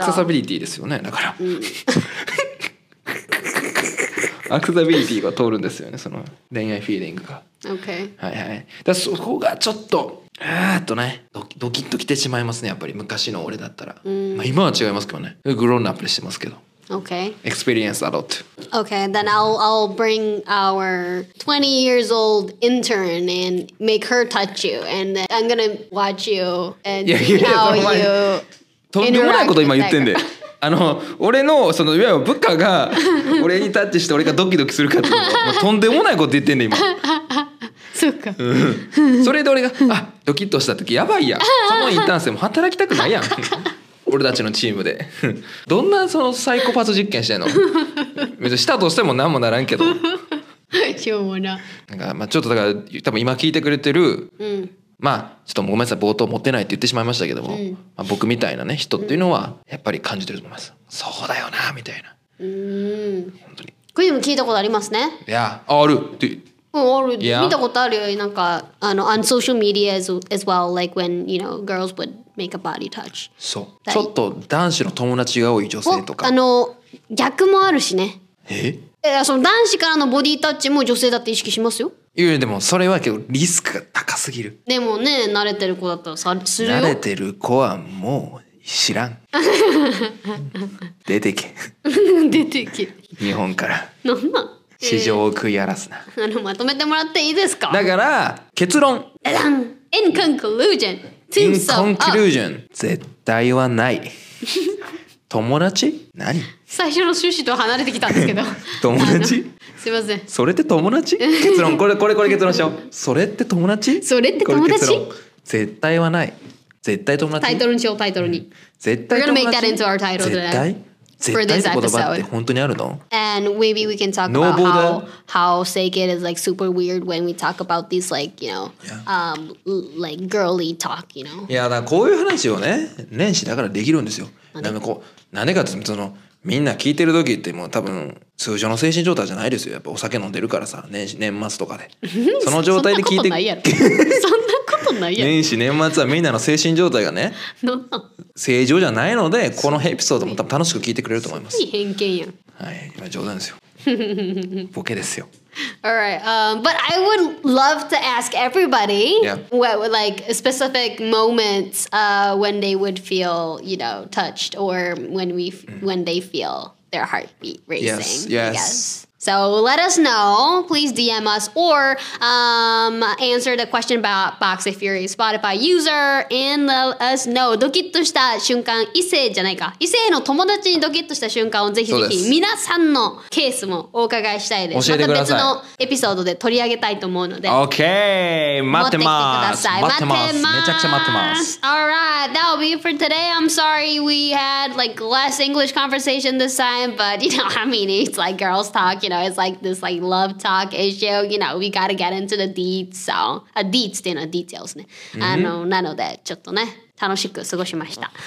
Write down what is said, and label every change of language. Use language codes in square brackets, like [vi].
[ja] アクセサビリティですよね。だから、アクセサビリティが通るんですよね、その恋愛フィーリングが。 [en] OK、 [ja] はいはい。だそこがちょっとね、ドキッと来てしまいますね、やっぱり昔の俺だったら、うん、まあ、今は違いますけどね、グローンアップしてますけど。 [en] OK Experience a lot. OK Then I'll bring our 20 years old intern and make her touch you and then I'm gonna watch you and see how you [ja] とんでもないこと今言ってんで。あの俺のそのいわゆる部下が俺にタッチして俺がドキドキするかっていうのは、まあ、とんでもないこと言ってんで今。そうか、うん、それで俺があドキッとした時やばいやん、そのインターン生も働きたくないやん俺たちのチームでどんなそのサイコパス実験してんの。別にしたとしても何もならんけど今日もな。なんかまあちょっとだから多分今聞いてくれてる、うん、まあちょっとごめんなさい、冒頭持ってないって言ってしまいましたけども、うん、まあ、僕みたいなね人っていうのはやっぱり感じてると思います、うん、そうだよなみたいな、うん、本当にクイズも聞いたことありますね。いやあるって、うん、ある、yeah. 見たことあるよ、なんかあの [en] on social media as well, like when you know girls would make a body touch. [ja] そう、That、ちょっと男子の友達が多い女性とか、あの逆もあるしね。え？え、その男子からのボディタッチも女性だって意識しますよ。いやでもそれはけどリスクが高すぎる。でもね、慣れてる子だったらさ、するよ。慣れてる子はもう知らん。出てけ。出てけ。日本から。なんだ。市場を食い荒らすな、あのまとめてもらっていいですか。だから結論、 [en] In conclusion, In conclusion、 [ja] 絶対はない。友達何、最初の趣旨とは離れてきたんですけど。友達、すいません、それって友達。結論、これ結論しよう。それって友達、それって友達、絶対はない、絶対友達。タイトルにしよう、タイトルに、絶対友達。 [en] We're gonna make that into our title today. [ja] 絶対、絶対って言葉って本当にあるの？ [en] And maybe we can talk、 no、 about how sake it is like super weird when we talk about these like, you know,、 yeah. Like girly talk, you know? [ja] いやだ、こういう話をね、年始だからできるんですよ。なんでこう、なんでかって、そのみんな聞いてる時ってもう多分通常の精神状態じゃないですよ。やっぱお酒飲んでるからさ、年末とかで。その状態で聞いて。そんなことないやろ。そんなことないやろ。年始年末はみんなの精神状態がね、正常じゃないので、このエピソードも多分楽しく聞いてくれると思います。いい偏見やん。はい、今冗談ですよ。ボケですよ。 [en] All right, but I would love to ask everybody、 yeah. what like specific moments、when they would feel, you know, touched or when we、mm. when they feel their heartbeat racing. Yes, yes. So let us know. Please DM us or、answer the question box if you're a Spotify user and let us know. [ja] ドキッとした瞬間、異性じゃないか、異性の友達にドキッとした瞬間をぜひぜひ皆さんのケースもお伺いしたいです。教えてください。また別のエピソードで取り上げたいと思うので。 OK! 待ってます。待ってます。めちゃくちゃ待ってます。 [en] Alright, that will be it for today. I'm sorry we had like less English conversation this time, but you know, I mean, it's like girls talk, you know, it's like this like love talk issue, you know, we gotta get into the deets, so, deets [ja] っていうのは [en] details ね。 [ja] Mm-hmm. なので、ちょっとね。楽しく過ごしました。